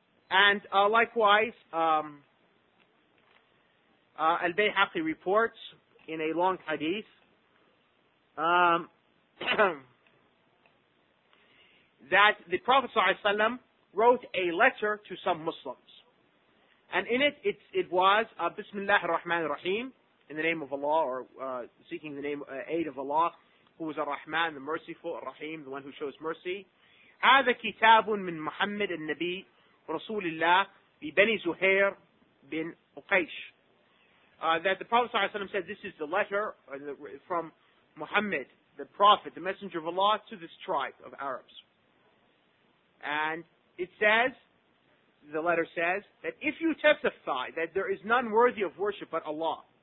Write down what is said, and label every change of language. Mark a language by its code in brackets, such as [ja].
[en] And likewise, Al-Bayhaqi reports in a long hadith that the Prophet ﷺ wrote a letter to some Muslims. And in it, it was [ar] Bismillah ar-Rahman ar-Rahim, [en] in the name of Allah, or seeking the name aid of Allah, who is ar-Rahman, the merciful, ar-Rahim, the one who shows mercy. [ar] هذا كتاب من محمد النبي رسول الله ببني زهير بن أقيش. [en] That the Prophet ﷺ said, this is the letter from Muhammad, the Prophet, the Messenger of Allah, to this tribe of Arabs. And it says, the letter says, that if you testify that there is none worthy of worship but Allah,